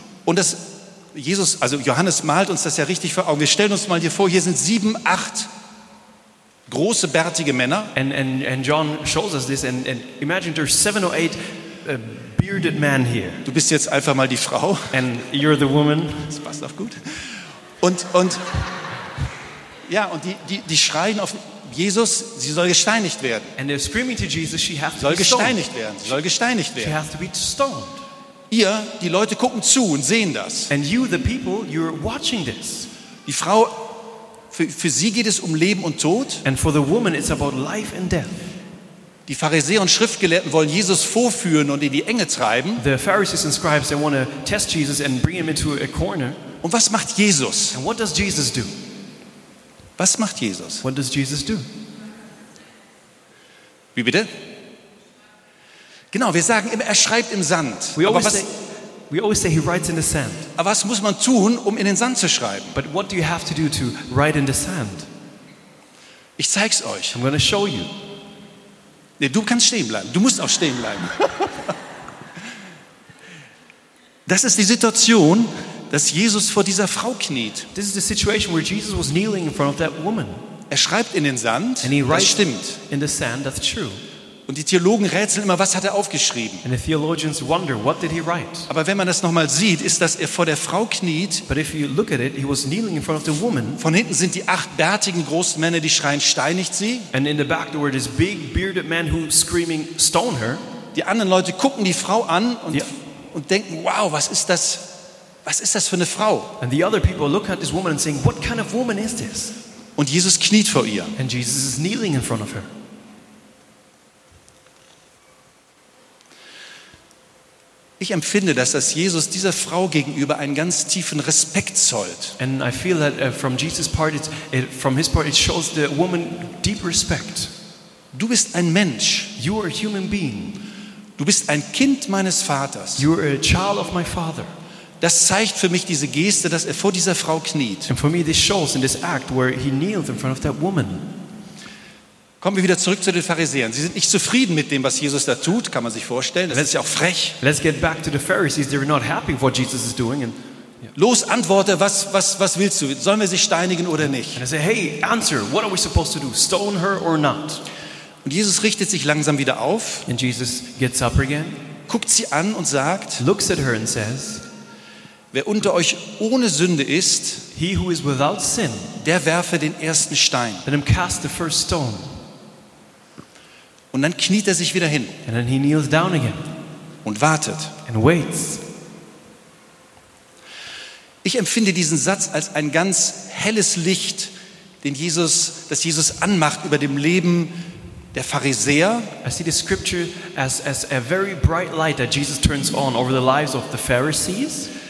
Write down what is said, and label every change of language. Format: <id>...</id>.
<de>Und das Jesus, also Johannes malt uns das ja richtig vor Augen. Wir stellen uns mal hier vor, hier sind 7, 8 große bärtige Männer.</de> <en>And John shows us this and imagine there's 7 or 8 bearded men here.</en> <de>Du bist jetzt einfach mal die Frau.</de> <en>And you're the woman.</en> <de>Das passt auch gut. Und ja, und die schreien auf Jesus, sie soll gesteinigt werden.</de> <en>And they're screaming to Jesus, she has to</en> <de>soll</de> <en>be stoned.</en> <de>Gesteinigt werden. Sie soll gesteinigt werden.</de> <en>She has to be stoned.</en> <de>Ihr, die Leute gucken zu und sehen das.</de> <en>And you, the people, you're watching this.</en> <de>Die Frau, für sie geht es um Leben und Tod.</de> <en>And for the woman, it's about life and death.</en> <de>Die Pharisäer und Schriftgelehrten wollen Jesus vorführen und in die Enge treiben.</de> <en>The Pharisees and scribes, they want to test Jesus and bring him into a corner.</en> <de>Und was macht Jesus?</de> <en>And what does Jesus do?</en> <de>Was macht Jesus?</de> <en>What does Jesus do?</en> <de>Wie bitte? Genau, wir sagen immer, er schreibt im Sand.</de> <en>We always say he writes in the sand.</en> <de>Aber was muss man tun, um in den Sand zu schreiben?</de> <en>But what do you have to do to write in the sand?</en> <de>Ich zeig's euch.</de> <en>I'm going to show you.</en> <de>Nee, du kannst stehen bleiben. Du musst auch stehen bleiben. Das ist die Situation, dass Jesus vor dieser Frau kniet.</de> <en>This is the situation where Jesus was kneeling in front of that woman.</en> <de>Er schreibt in den Sand.</de> <en>And he writes,</en> <de>das stimmt.</de> <en>In the sand, that's true.</en> <de>Und die Theologen rätseln immer, was hat er aufgeschrieben?</de> <en>And the theologians wonder, what did he write?</en> <de>Aber wenn man das nochmal sieht, ist, dass er vor der Frau kniet.</de> <en>But if you look at it, he was kneeling in front of the woman.</en> <de>Von hinten sind die 8 bärtigen großen Männer, die schreien, steinigt sie.</de> <en>And in the back there were this big bearded man who screaming, stone her.</en> <de>Die anderen Leute gucken die Frau an und, und denken, wow, was ist das? Was ist das für eine Frau?</de> <en>And the other people look at this woman and saying, what kind of woman is this?</en> <de>Und Jesus kniet vor ihr.</de> <en>And Jesus is kneeling in front of her.</en> <de>Ich Ich empfinde, dass das Jesus dieser Frau gegenüber einen ganz tiefen Respekt zollt.</de> <en>And I feel that from Jesus' part, from his part, it shows the woman deep respect.</en> <de>Du bist ein Mensch.</de> <en>You are a human being.</en> <de>Du bist ein Kind meines Vaters.</de> <en>You are a child of my father.</en> <de>Das zeigt für mich diese Geste, dass vor dieser Frau kniet.</de> <en>And for me, this shows in this act where he kneels in front of that woman.</en> <de>Kommen wir wieder zurück zu den Pharisäern. Sie sind nicht zufrieden mit dem, was Jesus da tut, kann man sich vorstellen. Das ist ja auch frech.</de> <en>Let's get back to the Pharisees. They're not happy with what Jesus is doing. And,</en> <de>yeah. Los, antworte, was willst du? Sollen wir sie steinigen oder nicht?</de> <en>And I say, hey, answer, what are we supposed to do? Stone her or not?</en> <de>Und Jesus richtet sich langsam wieder auf.</de> <en>And Jesus gets up again.</en> <de>Guckt sie an und sagt,</de> <en>looks at her and says,</en> <de>wer unter euch ohne Sünde ist,</de> <en>he who is without sin,</en> <de>der werfe den ersten Stein.</de> <en>Let him cast the first stone.</en> <de>Und dann kniet er sich wieder hin.</de> <en>And then he kneels down again.</en> <de>Und wartet.</de> <en>And waits.</en> <de>Ich empfinde diesen Satz als ein ganz helles Licht, das Jesus anmacht über dem Leben der Pharisäer.</de> <en>I see the scripture as a very bright light that Jesus turns on over the lives of the Pharisees.</en>